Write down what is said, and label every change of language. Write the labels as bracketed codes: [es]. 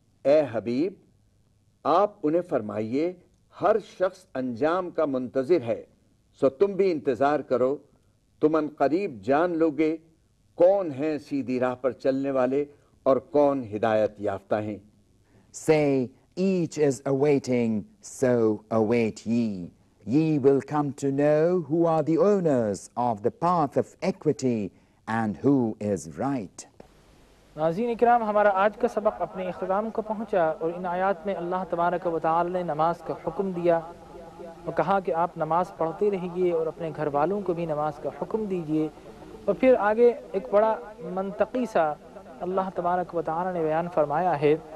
[ur] اے حبیب آپ انہیں فرمائیے ہر شخص انجام کا منتظر ہے سو تم بھی انتظار کرو تم ان قریب جان لوگے کون ہیں سیدھی راہ پر چلنے والے اور کون ہدایت یافتہ ہیں [en] Say, each is awaiting, so await ye. Ye will come to know who are the owners of the path of equity and who is right. [ur] ناظرین اکرام ہمارا آج کا سبق اپنے اختتام کو پہنچا اور ان آیات میں اللہ تبارک و تعالی نے نماز کا حکم دیا اور کہا کہ آپ نماز پڑھتے رہیے اور اپنے گھر والوں کو بھی نماز کا حکم دیجئے اور پھر آگے ایک بڑا منطقی سا اللہ تبارک و تعالی نے بیان فرمایا ہے